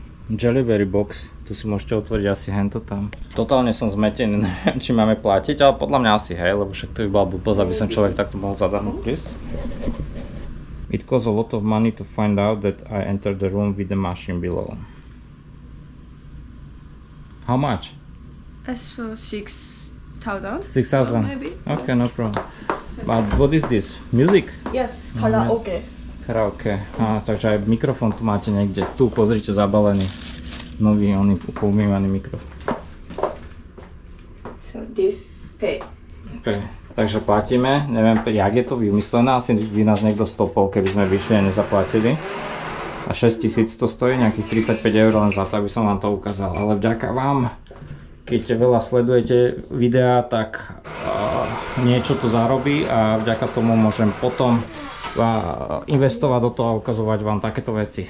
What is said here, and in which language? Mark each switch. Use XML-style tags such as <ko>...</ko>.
<en>Jellyberry box.</en> <sk>Tu si môžete otvoriť asi hento tam. Totálne som zmetený, neviem či máme platiť, ale podľa mňa asi hej, lebo však to by bola blbosť, aby som človek takto mohol zadarmo prísť.</sk> <en>It cost a lot of money to find out that I entered the room with the machine below. How much? So 6,000. 6,000? Maybe. Okay, no problem. But what is this? Music? Yes, karaoke.</en> <sk>Karaoke. Takže aj mikrofón tu máte niekde. Tu, pozrite, zabalený. Nový, oný, poumývaný mikrofón.</sk> <en>So this pay.</en> <sk>Okay. Takže platíme. Neviem, jak je to vymyslené. Asi by nás niekto stopol, keby sme vyšli a nezaplatili. a 6000 to stojí, nejakých 35 eur len za to, aby som vám to ukázal. Ale vďaka vám, keď veľa sledujete videá, tak niečo to zarobí a vďaka tomu môžem potom investovať do toho a ukazovať vám takéto veci.</sk>